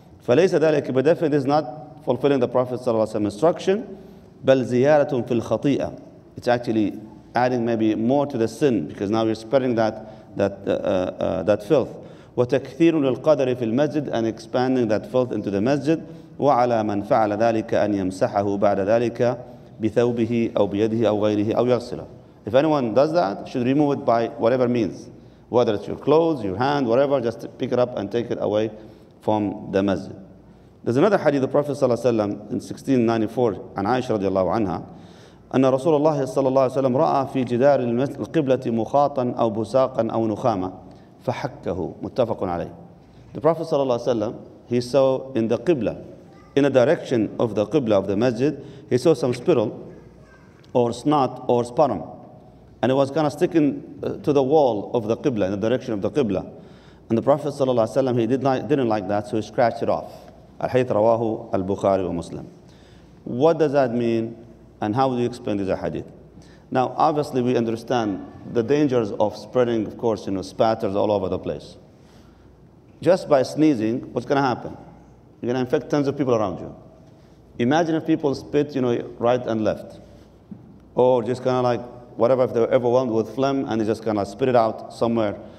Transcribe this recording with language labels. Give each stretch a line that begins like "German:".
Arabic: فليس ذلك بدفن
English: is not fulfilling the Prophet
Arabic: صلى الله عليه وسلم
English: instruction.
Arabic: بل زيارة في الخطيئة.
English: It's actually adding maybe more to the sin because now you're spreading that filth.
Arabic: وتكثير للقدر في المسجد
English: and expanding that filth into the masjid.
Arabic: وعلى من فعل ذلك أن يمسحه بعد ذلك بثوبه أو بيده أو غيره أو يغسله.
English: If anyone does that, should remove it by whatever means, whether it's your clothes, your hand, whatever, just pick it up and take it away from the masjid. There's another hadith the Prophet
Arabic: صلى الله عليه وسلم
English: in 1694
Arabic: عن عائشة رضي الله عنها. أن رسول الله صلى الله عليه وسلم رأى في جدار القبلة مخاطا أو بساقا أو نخامة فحكه. متفق عليه.
English: The Prophet
Arabic: صلى الله عليه وسلم,
English: he saw in the Qiblah, in the direction of the Qiblah of the Masjid, he saw some spittle or snot or sputum. And it was kind of sticking to the wall of the Qiblah, in the direction of the Qiblah. And the Prophet
Arabic: صلى الله عليه وسلم,
English: he didn't like that, so he scratched it off.
Arabic: الحديث رواه البخاري ومسلم.
English: What does that mean? And how do you explain this hadith? Now, obviously, we understand the dangers of spreading, of course, spatters all over the place. Just by sneezing, what's going to happen? You're going to infect tons of people around you. Imagine if people spit, right and left. Or just kind of like, whatever, if they're overwhelmed with phlegm, and they just kind of spit it out somewhere.